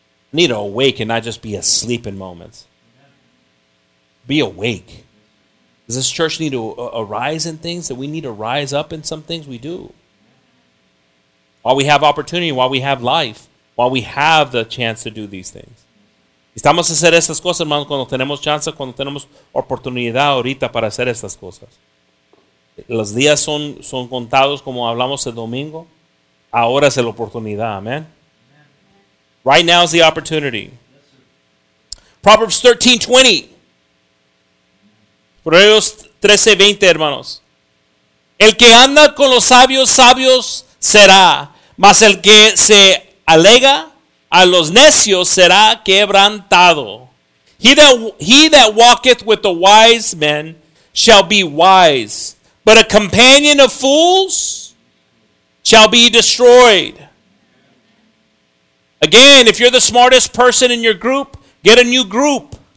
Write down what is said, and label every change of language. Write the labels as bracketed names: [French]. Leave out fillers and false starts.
[English] Need to awake and not just be asleep in moments. Be awake. Does this church need to arise in things? That we need to rise up in some things? We do. While we have opportunity, while we have life, while we have the chance to do these things. [Spanish] Estamos a hacer estas cosas, hermano, cuando tenemos chance, cuando tenemos oportunidad ahorita para hacer estas cosas. Los días son contados, como hablamos el domingo. Ahora es la oportunidad. [English] Amen. Right now is the opportunity. Proverbs 13:20. Proverbs 13:20, hermanos. [Spanish] El que anda con los sabios, sabios será. Mas el que se alega a los necios será quebrantado. [English] He that walketh with the wise men shall be wise. But a companion of fools shall be destroyed. Again, if you're the smartest person in your group, get a new group.